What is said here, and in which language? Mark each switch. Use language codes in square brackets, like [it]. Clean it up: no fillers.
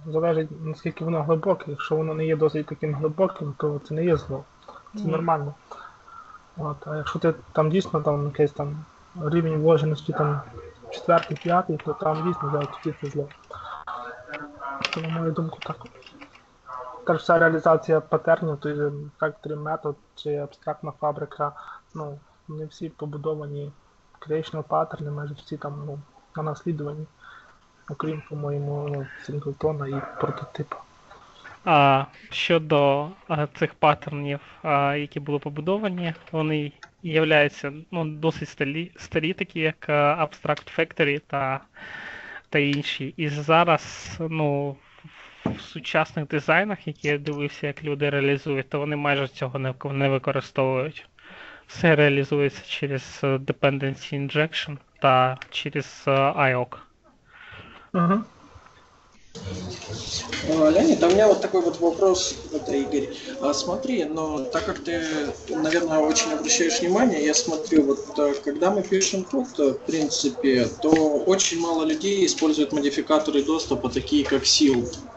[uk] Залежить, наскільки воно глибоке. Якщо воно не є досить таким глибоким, то це не є зло. Це нормально. От. А якщо ти там дійсно там якийсь там рівень вложеності там четвертий, п'ятий, то там дійсно для тоді це зло. Це, на мою думку, так. Та ж вся реалізація патернів, той же factory метод чи абстрактна фабрика, ну, вони всі побудовані creational паттерни, майже всі там, ну, на наслідуванні, окрім, по-моєму, синглтона і прототипу. А щодо цих паттернів, які були побудовані, вони являються, ну, досить старі, такі як Abstract Factory та інші. І зараз, ну, в сучасних дизайнах, які я дивився, як люди реалізують, то вони майже цього не використовують. Все реалізується через Dependency Injection та через IOC. [ru] Леонид, а у меня вот такой вот вопрос, это Игорь. Смотри, но так как ты, наверное, очень обращаешь внимание, я смотрю, вот когда мы пишем код, в принципе, то очень мало людей используют модификаторы доступа, такие как Sealed.